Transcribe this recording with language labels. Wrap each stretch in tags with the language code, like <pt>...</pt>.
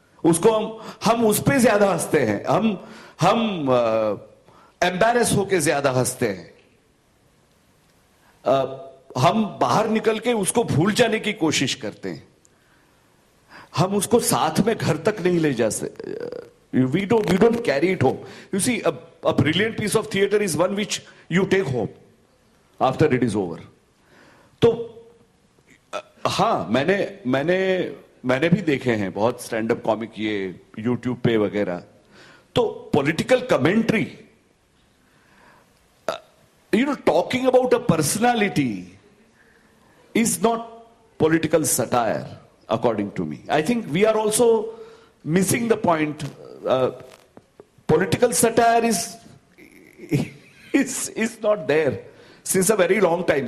<hi>उसको हम उस पर ज्यादा हंसते हैं, हम एम्बेरस होके ज्यादा हंसते हैं, हम बाहर निकल के उसको भूल जाने की कोशिश करते हैं, हम उसको साथ में घर तक नहीं ले जा सकते.</hi> <en>We don't carry it home. You see, a brilliant piece of theater is one which you take home after it is over.</en> <hi>तो हाँ, मैंने मैंने मैंने भी देखे हैं बहुत stand-up comic ये YouTube पे वगैरह.</hi> <en>तो political commentary, you know, talking about a personality is not political satire, according to me. I think we are also missing the point. Political satire is not there since a very long time.</en>